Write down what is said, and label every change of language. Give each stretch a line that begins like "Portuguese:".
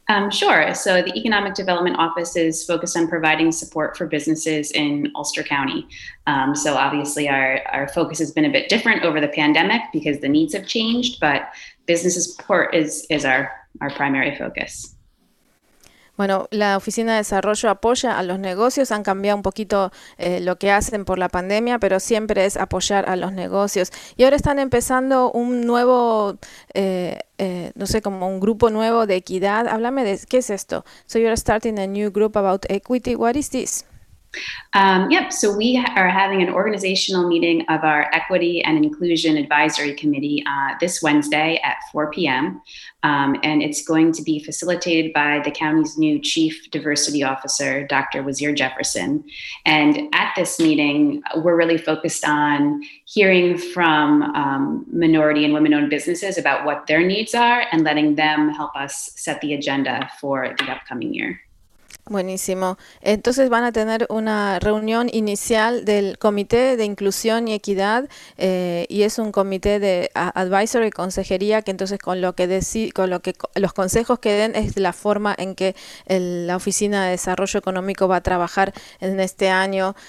English: Sure. So the Economic Development Office is focused on providing support for businesses in Ulster County. So obviously our focus has been a bit different over the pandemic because the needs have changed, but business support is our primary focus.
Spanish: Bueno, la Oficina de Desarrollo apoya a los negocios. Han cambiado un poquito lo que hacen por la pandemia, pero siempre es apoyar a los negocios. Y ahora están empezando un nuevo, no sé, como un grupo nuevo de equidad. Háblame de qué es esto.
English: So you're starting a new group about equity. What is this? So we are having an organizational meeting of our Equity and Inclusion Advisory Committee this Wednesday at 4 p.m. And it's going to be facilitated by the county's new Chief Diversity Officer, Dr. Wazir Jefferson. And at this meeting, we're really focused on hearing from minority and women-owned businesses about what their needs are and letting them help us set the agenda for the upcoming year.
Spanish: Buenísimo. Entonces van a tener una reunión inicial del Comité de Inclusión y Equidad, y es un comité de advisory, consejería, que entonces los consejos que den es la forma en que la Oficina de Desarrollo Económico va a trabajar en este año.